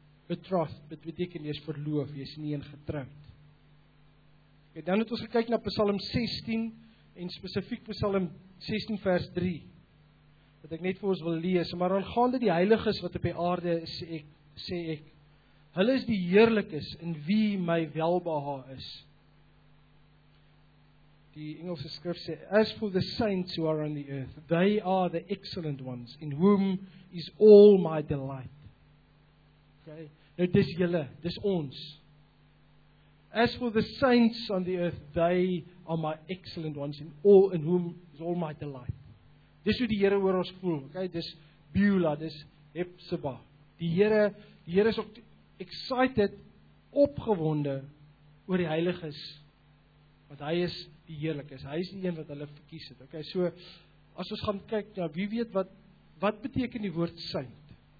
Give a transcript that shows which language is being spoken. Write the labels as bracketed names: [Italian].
[Afrikaans] Betrothed, dit beteken jy is verloof, jy is nie een getroud. Okay, dan het ons gekyk na Psalm 16, en spesifiek Psalm 16 vers 3. Wat ek net vir ons wil lees, maar aangaande die heiliges wat op die aarde is, sê ek, hulle is die heerlikes in wie my welbehae is. Die Engelse skrif sê, [English] as for the saints who are on the earth, they are the excellent ones, in whom is all my delight. Okay? [Afrikaans] Nou, dis julle, dis ons. [English] As for the saints on the earth, they are my excellent ones, in whom is all my delight. [Afrikaans] Dis hoe die Here oor ons voel. Okay, dis Beulah, dis Hefseba. Die Here is opgewonde oor die heiliges, want hy is die heerlik is. Hy is die een wat hulle verkies het. Okay, so as ons gaan kyk, ja, wie weet wat beteken die woord saint?